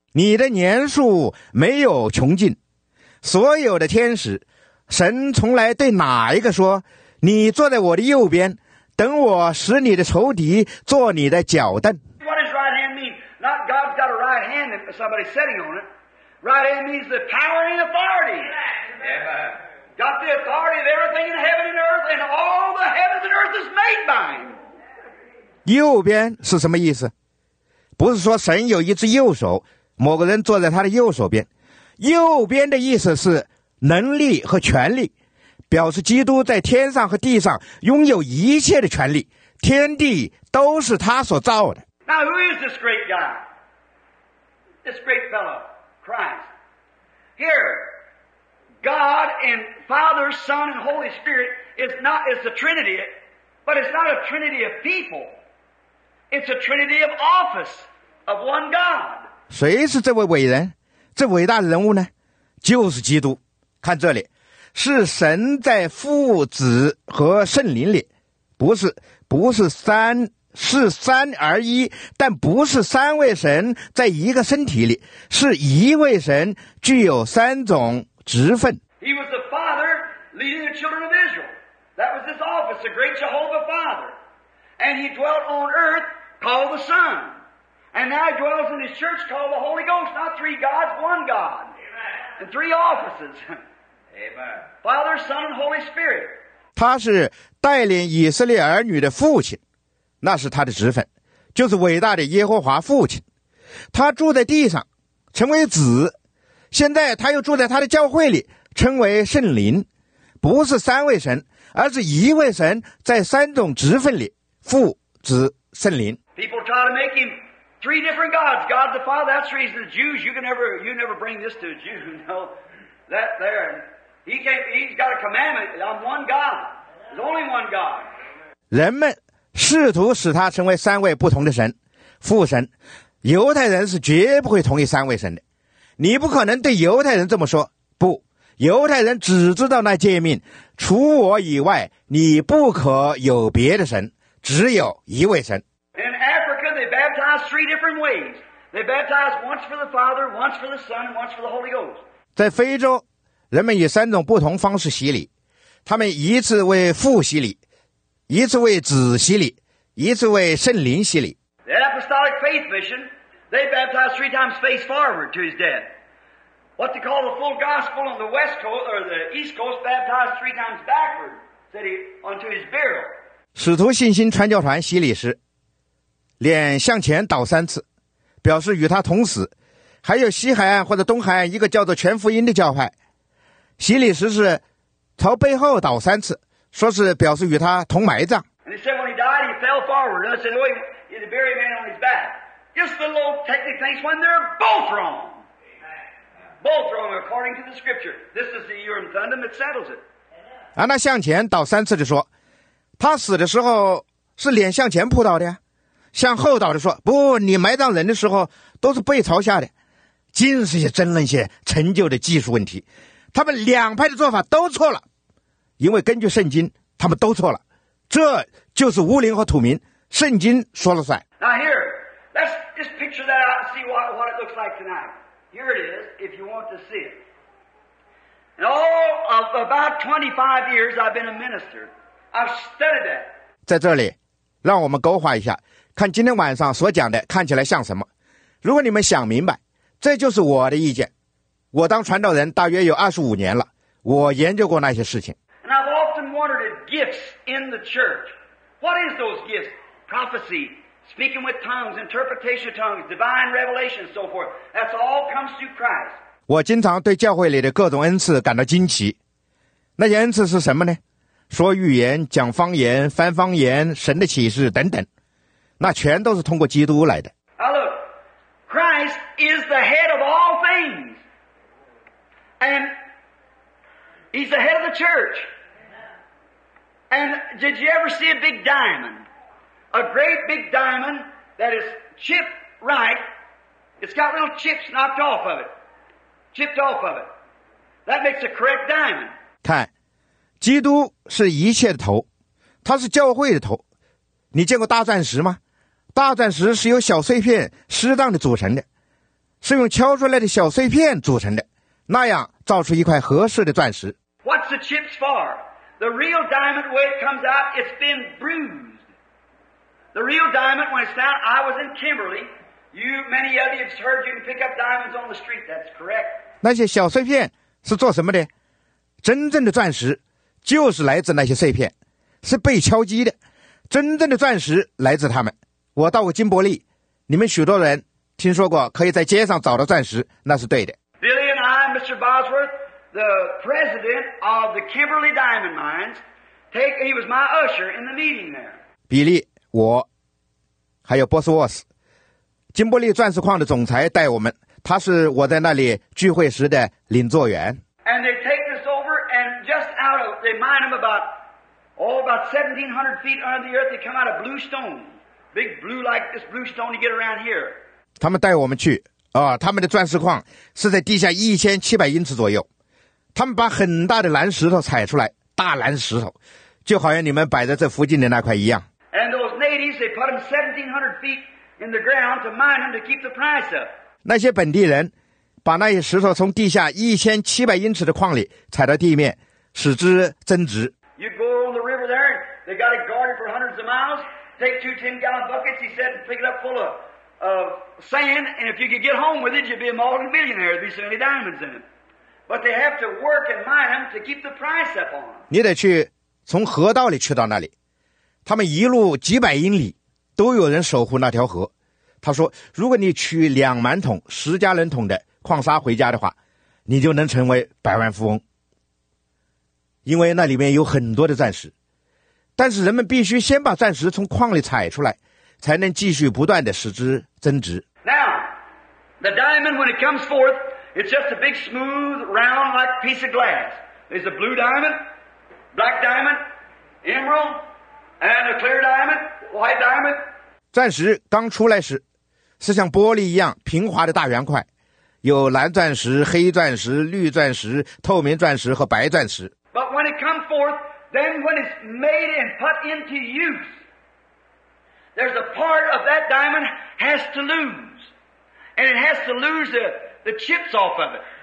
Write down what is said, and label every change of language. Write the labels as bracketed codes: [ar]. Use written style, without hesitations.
[zh] 你的年数没有穷尽，所有的天使，神从来对哪一个说，你坐在我的右边，等我使你的仇敌坐你的脚凳。 [en] What does right hand mean? Not God's got a right hand and somebody sitting on it. Right hand means the power and authority. Yeah. Got the authority of everything in heaven and earth, and all the heavens and earth is made by him. [zh] 右边是什么意思？不是说神有一只右手，某个人坐在他的右手边。右边的意思是能力和权力，表示基督在天上和地上拥有一切的权力，天地都是他所造的。 [en] Now who is this great guy? This great fellow, Christ. Here, God and Father, Son, and Holy Spirit is the Trinity, but it's not a Trinity of people. It's a Trinity of office of one God. [zh] 谁是这位伟人？这伟大的人物呢？就是基督。看这里，是神在父子和圣灵里，不是三，是三而一，但不是三位神在一个身体里，是一位神具有三种职分。 [en] He was the father leading the children of Israel. That was his office, the great Jehovah Father. And he dwelt on earth called the Son. And now he dwells in his church called the Holy Ghost, not three gods, one God. And three offices. Amen. Father, Son, and Holy Spirit. [zh] 他是带领以色列儿女的父亲，那是他的职分，就是伟大的耶和华父亲。他住在地上，成为子，现在他又住在他的教会里，称为圣灵，不是三位神，而是一位神在三种职分里，父、子、圣灵。 [en] People try to make him three different gods. God the Father, that's the reason the Jews, you never bring this to a Jew, you know, that there. He's got a commandment, I'm one God. There's only one God. [zh] 人们试图使他成为三位不同的神，父神。犹太人是绝不会同意三位神的。你不可能对犹太人这么说，不，犹太人只知道那诫命，除我以外，你不可有别的神，只有一位神。 [en] In Africa, they baptize three different ways. They baptize once for the Father, once for the Son, and once for the Holy Ghost. [zh] 在非洲，人们以三种不同方式洗礼，他们一次为父洗礼，一次为子洗礼，一次为圣灵洗礼。 [en] The Apostolic Faith Mission, they baptize three times face forward to his death. What they call the full gospel on the west coast or the east coast baptized three times backward, said he, unto his burial. [zh] 使徒信心传教团洗礼时，脸向前倒三次，表示与他同死。还有西海岸或者东海岸一个叫做全福音的教派，洗礼时是朝背后倒三次，说是表示与他同埋葬。 [en] And he said when he died, he fell forward. And I said, oh, he's a buried man on his back. Just the little technical things when they're both wrong. Both wrong according to the scripture. This is the Urim Thummim that settles it. [zh] 按他向前倒三次的说，他死的时候是脸向前扑倒的呀，向后倒的说，不，你埋葬人的时候都是背朝下的。尽是些争论些陈旧的技术问题，他们两派的做法都错了，因为根据圣经他们都错了。这就是乌灵和土民，圣经说了算。 [en] Now here, let's just picture that out and see what it looks like tonight. Here it is, if you want to see it. And all of about 25 years I've been a minister. I've studied that. [zh] 在这里让我们勾画一下，看今天晚上所讲的看起来像什么。如果你们想明白，这就是我的意见。我当传道人大约有25年了，我研究过那些事情。 [en] And I've often wondered at gifts in the church. What is those gifts? Prophecy, speaking with tongues, interpretation of tongues, divine revelation, so forth. That's all comes through Christ. [zh] 我经常对教会里的各种恩赐感到惊奇。那些恩赐是什么呢？说预言、讲方言、翻方言、神的启示等等，那全都是通过基督来的。 [en] Now look, Christ is the head of all things, and he's the head of the church. And did you ever see a big diamond? A great big diamond that is chipped right. It's got little chips knocked off of it, chipped off of it. That makes a correct diamond. [zh] 看，基督是一切的头，他是教会的头。你见过大钻石吗？大钻石是由小碎片适当的组成的，是用敲出来的小碎片组成的，那样造出一块合适的钻石。 [en] What's the chips for? The real diamond, the way it comes out, it's been bruised. The real diamond, when it's down, I was in Kimberley. You, many of you have heard you can pick up diamonds on the street. That's correct. [zh] 那些小碎片是做什么的？真正的钻石就是来自那些碎片，是被敲击的。真正的钻石来自他们。我到过金伯利，你们许多人听说过可以在街上找到钻石，那是对的。 [en] Billy and I, Mr. Bosworth, the president of the Kimberley Diamond Mines, he was my usher in the meeting there. [zh] 比利，我，还有波斯沃斯，金伯利钻石矿的总裁带我们，他是我在那里聚会时的领座员。 [en] And they take this over and just out of, they mine them about 1700 feet under the earth, they come out of blue stone. Big blue like this blue stone you get around here. [zh] 他们带我们去他们的钻石矿是在地下1700英尺左右。他们把很大的蓝石头采出来，大蓝石头，就好像你们摆在这附近的那块一样。 [en] And those natives, they put them 1700 feet in the ground to mine them to keep the price up. [zh] 那些本地人把那些石头从地下1700英尺的矿里采到地面，使之增值。 [en] You go on the river there, they got it guarded for hundreds of miles, take 2 10-gallon buckets, he said, and pick it up full of. Sand, and if you could get home with it, you'd be a multi-millionaire. There'd be so many diamonds in it. But they have to work and mine them to keep the price up on them. [zh] 你得去从河道里去到那里，他们一路几百英里都有人守护那条河。他说，如果你取两馒桶、十加仑桶的矿砂回家的话，你就能成为百万富翁，因为那里面有很多的钻石。但是人们必须先把钻石从矿里采出来。才能继续不断的使之增值。 [en] Now, the diamond when it comes forth, it's just a big smooth round like piece of glass. There's a blue diamond, black diamond, emerald, and a clear diamond, white diamond. [zh] 钻石刚出来时，是像玻璃一样平滑的大圆块，有蓝钻石、黑钻石、绿钻石、透明钻石和白钻石。 [en] But when it comes forth, then when it's made and put into use. There's a part of that diamond has to lose. And it has to lose the chips off of it.